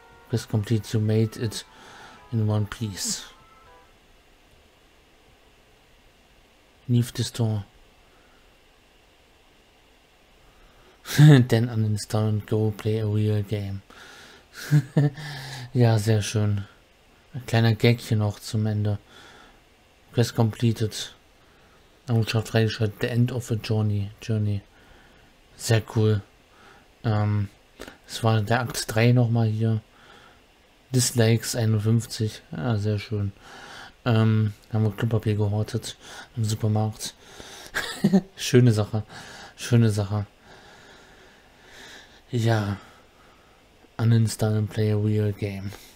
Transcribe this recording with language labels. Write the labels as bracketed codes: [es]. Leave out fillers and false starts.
[de] Bis komplett, [en] you made it in one piece. Leave the store. Then uninstall and go play a real game. [de] Ja, sehr schön. Ein kleiner Gag hier noch zum Ende. [en] Quest completed. [de] Errungenschaft freigeschaltet. [en] The end of a journey. [de] Sehr cool. Es war der Akt 3 nochmal hier. Dislikes 51. Ja, sehr schön. Haben wir Klopapier gehortet im Supermarkt. Schöne Sache. Schöne Sache. [en] Ja, uninstall and play a real game.